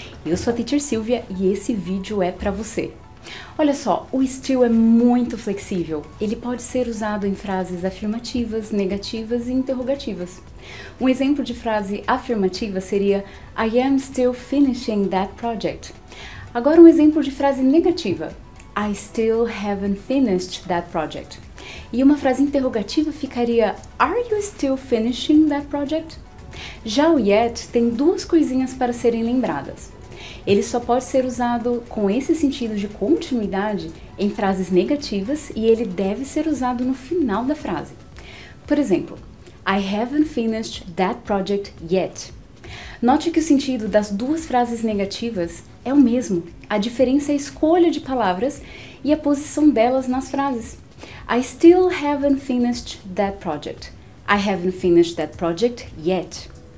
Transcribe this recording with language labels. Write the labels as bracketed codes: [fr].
[pt] Eu sou a Teacher Silvia e esse vídeo é para você. Olha só, o still é muito flexível. Ele pode ser usado em frases afirmativas, negativas e interrogativas. [en] Um exemplo de frase afirmativa seria I am still finishing that project. [pt] Agora um exemplo de frase negativa. [en] I still haven't finished that project. E uma frase interrogativa ficaria Are you still finishing that project? [pt] Já o yet tem duas coisinhas para serem lembradas. Ele só pode ser usado com esse sentido de continuidade em frases negativas e ele deve ser usado no final da frase. [en] Por exemplo, I haven't finished that project yet. [pt] Note que o sentido das duas frases negativas é o mesmo. A diferença é a escolha de palavras e a posição delas nas frases. [en] I still haven't finished that project. I haven't finished that project yet.